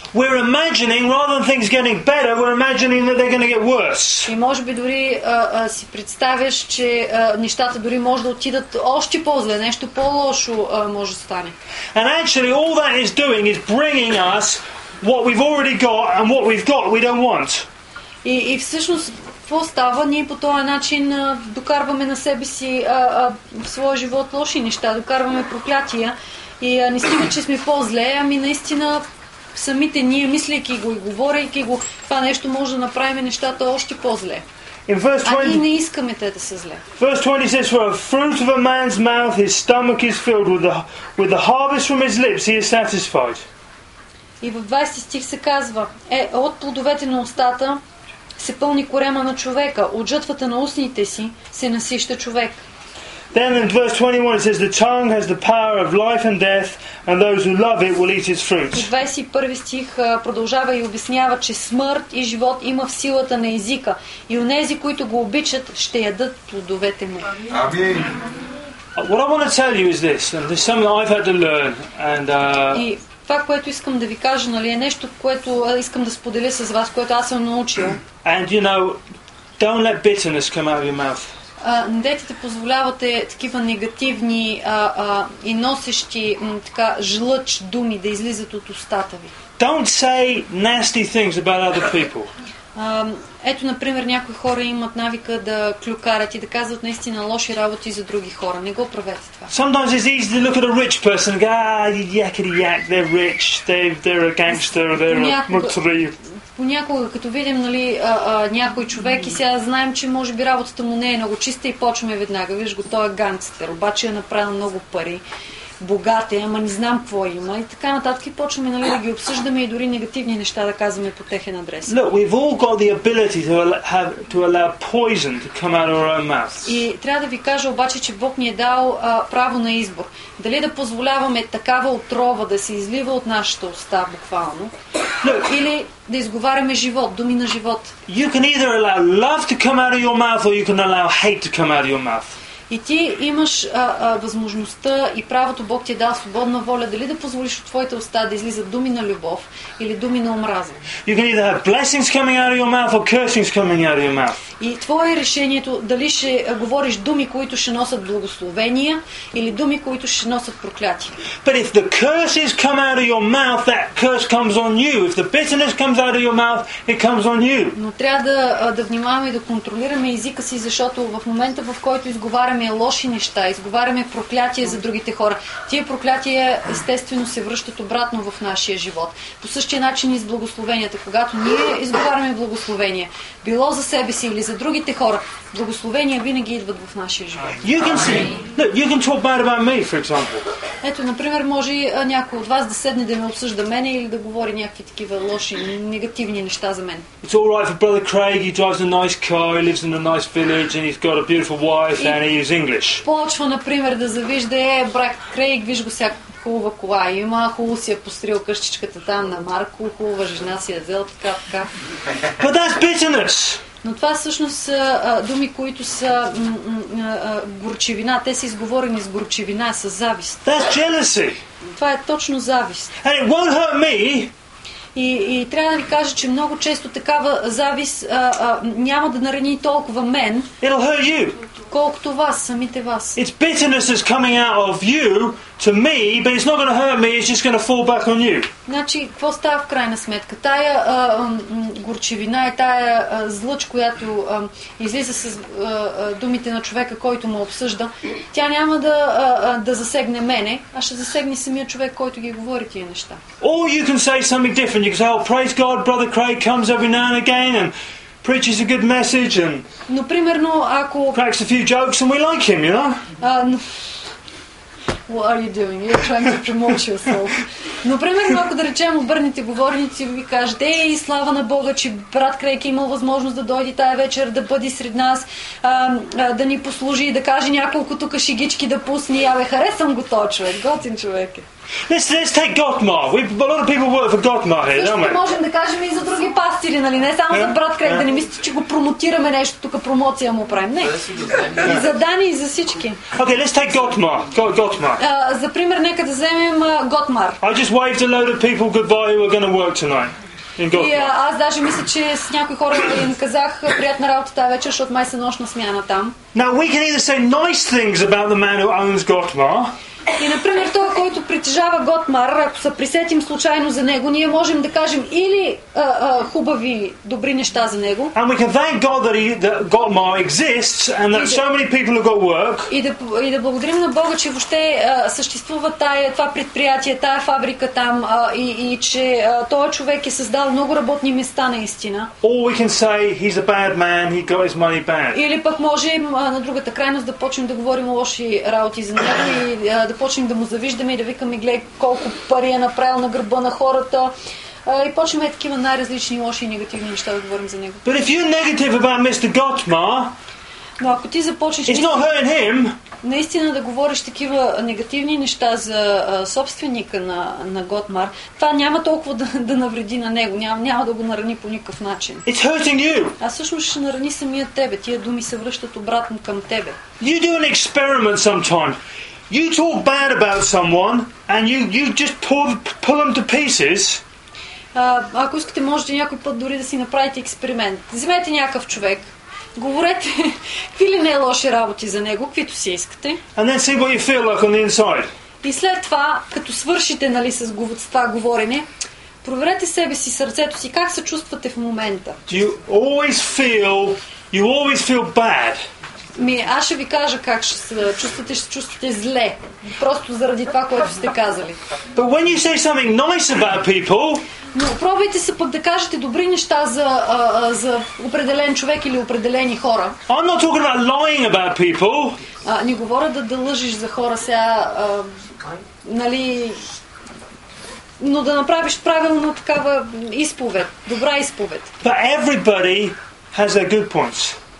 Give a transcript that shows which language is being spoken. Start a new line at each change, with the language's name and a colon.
English: We're imagining rather than things getting better, we're imagining that they're going to get worse.
Bulgarian: И може би дори си представяш, че нещата дори може да отидат още по-зле, нещо по-лошо може да стане.
English: And actually all that is doing is bringing us what we've already got and what we've got we don't want.
Bulgarian: И всъщност какво става? Ние по този начин докарваме на себе си в своя живот лоши неща, докарваме проклятия и не стига, че сме по-зле, ами наистина самите ние, мислейки го и говорейки го, това нещо може да направим нещата още по-зле.
English: In verse 20,
Bulgarian: а ние не искаме те да са зле.
English: Verse 20 says, for a fruit of a man's mouth, his stomach is filled with the harvest from his lips, he is satisfied.
Bulgarian: И в 20 стих се казва, от плодовете на устата се пълни корема на човека, от жътвата на устните си се насища човек.
English: Then in verse 21 it says the tongue has the power of life and death and those who love it will eat its fruit.
Bulgarian: 21 стих продължава и обяснява, че смърт и живот има в силата на езика и онези, които го обичат, ще ядат плодовете му.
English: Amen. What I want to tell you is this, and there's something I've had to learn and
Bulgarian: това, което искам да ви кажа, нали, е нещо, което искам да споделя с вас, което аз съм научил.
English: And you know, don't let bitterness come out of your mouth.
Bulgarian: Не дейте да позволявате такива негативни и носещи така жлъч думи да излизат от устата ви.
English: Don't say nasty things about other people.
Bulgarian: Ето, например, някои хора имат навика да клюкарят и да казват наистина лоши работи за други хора. Не го правете това.
English: Sometimes it's easy to look at a rich person and go, yakety-yak, they're rich, they're a gangster, they're a...
Bulgarian: Понякога, като видим, нали, някой човек и сега знаем, че може би работата му не е много чиста и почваме веднага. Виж го, той е гангстер, обаче е направил много пари. Богат е, ама не знам какво има и така нататък и почваме, нали, да ги обсъждаме и дори негативни неща да казваме по техен адрес.
English: Look, we've all got the ability to allow poison to come out of our own mouths.
Bulgarian: И трябва да ви кажа обаче, че Бог ни е дал право на избор. Дали да позволяваме такава отрова да се излива от нашата уста буквално,
English: Look,
Bulgarian: или да изговаряме живот, думи на живот.
English: You can either allow love to come out of your mouth or you can allow hate to come out of your mouth.
Bulgarian: И ти имаш възможността и правото Бог ти е дал свободна воля, дали да позволиш от твоите уста да излизат думи на любов или думи на омраза.
English: You can either have blessings coming out of your mouth or cursings coming out of your mouth.
Bulgarian: И твое решението дали ще говориш думи, които ще носят благословения или думи, които ще носят проклятия.
English: But if the curses come out of your mouth, that curse comes on you. If the bitterness comes out of your mouth, it comes on you.
Bulgarian: Но трябва да внимаваме и да контролираме езика си, защото в момента, в който изговаряме лоши неща, изговаряме проклятия за другите хора, тия проклятия естествено се връщат обратно в нашия живот. По същия начин и с благословенията. Когато ние изговаряме благословения, било за себе си или за другите хора, благословения винаги идват в нашия живот.
English: You can see. No, you can talk bad about me, for example.
Bulgarian: Ето, например, може някой от вас да седне да ме обсъжда мене или да говори някакви такива лоши, негативни неща за мен.
English: It's all right for brother Craig, he drives a nice car, he lives in a nice village and he's got a beautiful wife and he is English.
Bulgarian: Почва, например, да завижда, брат Крейг, виж го сега, хубава кола, има хубаво си я пострил къщичката там на Марко, хубава жена си я взел, така.
English: But that's bitterness.
Bulgarian: Но това всъщност са думи, които са горчивина. Те са изговорени с горчивина, с завист.
English: That's jealousy.
Bulgarian: Това е точно завист.
English: And it won't hurt me.
Bulgarian: И трябва да ви кажа, че много често такава завист няма да нарани толкова мен.
English: It'll hurt you.
Bulgarian: Колкото вас, самите вас.
English: It's bitterness is coming out of you to me, but it's not going to hurt me, it's just going to fall back on you.
Bulgarian: Значи, какво става в крайна сметка? Тая горчевина и тая злъч, която излиза с думите на човека, който му обсъжда, тя няма да засегне мене, а ще засегне самия човек, който ги говори тия неща.
English: Or you can say something different. You can say, oh, praise God, brother Craig comes every now and again and preaches a good message and
Bulgarian: но примерно ако
English: cracks a few jokes and we like him, you know? What are you doing? You're trying to promote yourself.
Bulgarian: Но примерно ако да речем обърнете говорници и ви кажете, ей, слава на Бога, че брат Крейг имал възможност да дойде тая вечер, да бъде сред нас, да ни послужи, да каже няколко тук шигички да пусне. Абе, харесвам го този човек. Готин човек е.
English: Let's take Gottmar. A lot of people work for Gottmar here, don't we?
Bulgarian: Също можем да кажем и за други пастири, нали? Не само за брат Крейг, да не мислите, че го промотираме нещо, тук промоция му правим. Не. И за Дани, и за всички.
English: Okay, let's take Gottmar. Gottmar.
Bulgarian: За пример, нека да вземем Gottmar.
English: I just waved a load of people goodbye who are going to work tonight.
Bulgarian: И аз даже мисля, че с някои хора им казах приятна работа тази вечер, защото май се нощна смяна там.
English: Now we can either say nice things about the man who owns Gottmar.
Bulgarian: И, например, това, който притежава Gottmar, ако се присетим случайно за него, ние можем да кажем или хубави, добри неща за него.
English: And we can thank God that Gottmar exists and that so many people have got work.
Bulgarian: И да благодарим на Бога, че въобще съществува това предприятие, тая фабрика там и че този човек е създал много работни места наистина.
English: Or we can say he's a bad man, he got his money bad.
Bulgarian: Или пък можем на другата крайност да почнем да говорим лоши работи за него и да почнем да му завиждаме и да викаме, гледай колко пари е направил на гърба на хората. И почнем такива най-различни лоши и негативни неща да говорим за него.
English: But if you're negative about Mr. Gottmar,
Bulgarian: но ако ти започнеш
English: it's not hurting him.
Bulgarian: Наистина да говориш такива негативни неща за собственика на Gottmar, това няма толкова да навреди на него, няма да го нарани по никакъв начин.
English: It's hurting you.
Bulgarian: А всъщност ще нарани самия тебе. Тия думи се връщат обратно към тебе.
English: You do an experiment sometime. You talk bad about someone and you just pull them to pieces.
Bulgarian: Ако искате, може да някой път дори да си направите експеримент. Вземете някакъв човек. Говорете какви ли не лоши работи за него, каквито си искате.
English: And then see what you feel like on the inside.
Bulgarian: И след това, като свършите, нали, с това говорене, проверете себе си, сърцето си, как се чувствате в момента.
English: Do you always feel bad?
Bulgarian: Аз ще ви кажа как ще се чувствате зле. Просто заради това, което сте казали.
English: But when you say something nice about people,
Bulgarian: но пробвайте се пък да кажете добри неща за определен човек или определени хора.
English: I'm not talking about lying about people.
Bulgarian: Не говоря да лъжиш за хора сега, нали, но да направиш правилно такава изповед, добра изповед.
English: But everybody has their good points.